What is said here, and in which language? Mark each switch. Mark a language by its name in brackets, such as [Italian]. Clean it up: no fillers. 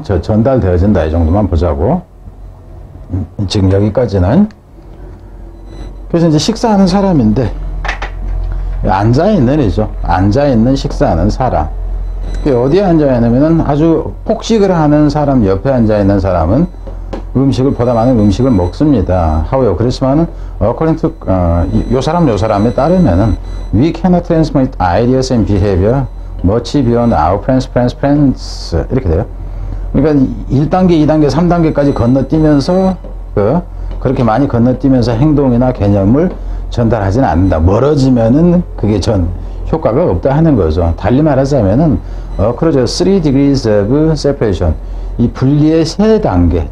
[Korean] 저 전달되어진다 이 정도만 보자고. 지금 여기까지는. 그래서 이제 식사하는 사람인데, 앉아있는이죠. 앉아있는 식사하는 사람. 어디에 앉아있냐면은 아주 폭식을 하는 사람, 옆에 앉아있는 사람은 음식을, 보다 많은 음식을 먹습니다. [English] However, [Korean] 그렇지만은, [English] according to, [Korean] 요 사람에 따르면은, [English] we cannot transmit ideas and behavior much beyond our friends. [Korean] 이렇게 돼요. 그러니까 1단계, 2단계, 3단계까지 건너뛰면서, 그렇게 많이 건너뛰면서 행동이나 개념을 전달하지는 않는다. 멀어지면은 그게 전 효과가 없다 하는 거죠. 달리 말하자면은 그러죠. [English] 3 degrees of separation. [Korean] 이 분리의 세 단계.